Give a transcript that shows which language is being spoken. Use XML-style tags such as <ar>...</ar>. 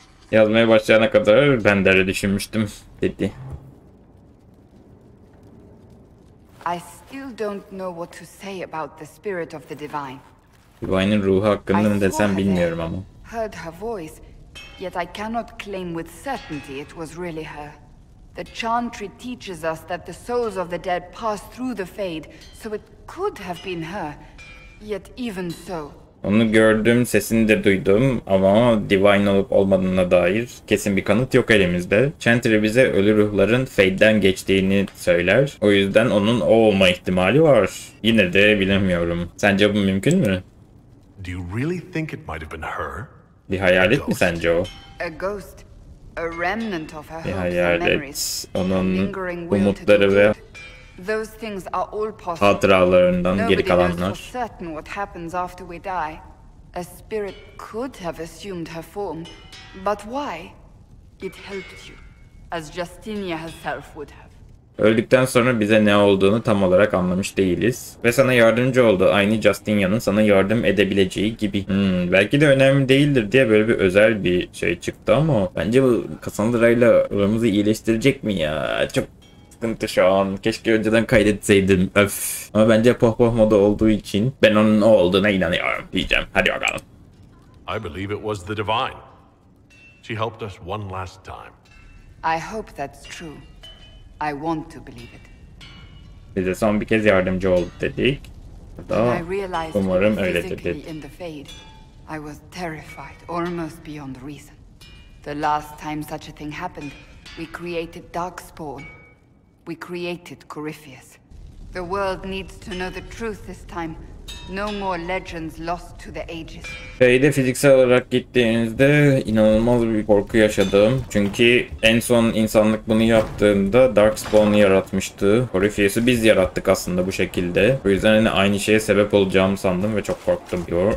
<tr>Yazmaya başlayana kadar ben de öyle düşünmüştüm dedi.</tr> <en>I still don't know what to say about the spirit of the divine.</en> <tr>Divine'ın ruhu hakkında ne desem bilmiyorum ama.</tr> <en>Heard her voice, yet I cannot claim with certainty it was really her. The chantry teaches us that the souls of the dead pass through the fade, so it could have been her. Yet even so.</en> <tr>Onu gördüm, sesini de duydum ama divine olup olmadığına dair kesin bir kanıt yok elimizde. Chantry bize ölü ruhların Fade'den geçtiğini söyler. O yüzden onun o olma ihtimali var. Yine de bilemiyorum. Sence bu mümkün mü?</tr> <en>Do you really think it might have been her?</en> <tr>Bir hayalet mi sence o?</tr> <en>A ghost, a remnant of her</en> <tr>bir hayalet. Onun umutları ve</tr> <en>those things are all possible.</en> <tr>Hatıralarından geri kalanlar.</tr> <en>Nobody knows for certain what happens after we die. A spirit could have assumed her form, but why? It helped you, as Justinia herself would have.</en> <tr>Öldükten sonra bize ne olduğunu tam olarak anlamış değiliz. Ve sana yardımcı oldu. Aynı Justinia'nın sana yardım edebileceği gibi. Belki de önemli değildir diye böyle bir özel bir şey çıktı ama bence bu Cassandra ile aramızı iyileştirecek mi ya? Çok sıkıntı şu an. Keşke önceden kaydetseydim. Öf. Ama bence pohpoh moda olduğu için ben onun o olduğuna inanıyorum diyeceğim. Hadi bakalım.</tr> <en>I believe it was the divine. She helped us one last time. I hope that's true. I want to believe it.</en> <tr>Bize son bir kez yardımcı oldu dedik. Umarım öyledir dedi.</tr> <en>I was terrified, almost beyond reason. The last time such a thing happened, we created Darkspawn. We created Corypheus. The world needs to know the truth this time. No more legends lost to the ages.</en> <tr>Fade'e fiziksel olarak gittiğinizde inanılmaz bir korku yaşadım. Çünkü en son insanlık bunu yaptığında Darkspawn'u yaratmıştı. Corypheus'u biz yarattık aslında bu şekilde. O yüzden hani aynı şeye sebep olacağımı sandım ve çok korktum diyor.</tr>